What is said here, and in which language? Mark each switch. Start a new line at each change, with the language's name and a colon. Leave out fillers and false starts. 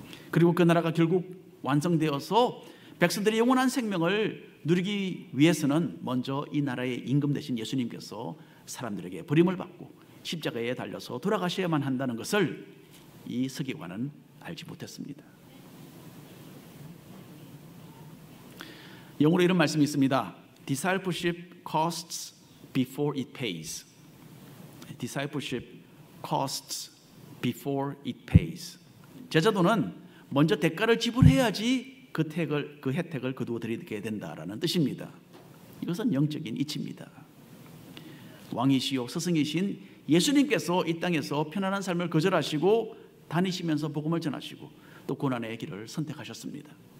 Korean: 그리고 그 나라가 결국 완성되어서 백성들이 영원한 생명을 누리기 위해서는 먼저 이 나라의 임금 되신 예수님께서 사람들에게 버림을 받고 십자가에 달려서 돌아가셔야만 한다는 것을 이 서기관은 알지 못했습니다. 영어로 이런 말씀이 있습니다.
English: Discipleship costs before it pays. Discipleship costs before it pays.
Korean: 제자도는 먼저 대가를 지불해야지 그 혜택을 거두어 드리게 된다라는 뜻입니다. 이것은 영적인 이치입니다. 왕이시요 스승이신 예수님께서 이 땅에서 편안한 삶을 거절하시고 다니시면서 복음을 전하시고 또 고난의 길을 선택하셨습니다.